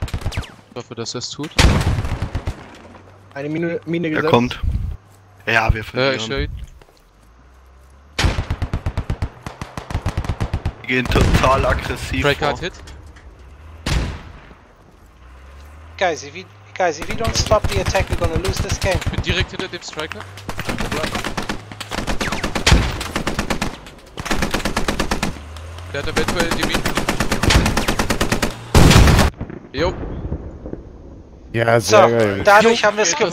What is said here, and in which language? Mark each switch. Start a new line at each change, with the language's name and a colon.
German: Ich hoffe, dass er es tut. Eine Mine gesetzt. Er kommt. Ja, wir verlieren. Ich höre ihn. Wir gehen total aggressiv.
English: Strike hard hit. Guys, if we don't stop the attack, we're gonna lose this game.
German: Ich bin direkt hinter dem Striker. Der hat eventuell die Mine. Jo. Ja, sehr so, geil. Dadurch haben wir es gewonnen.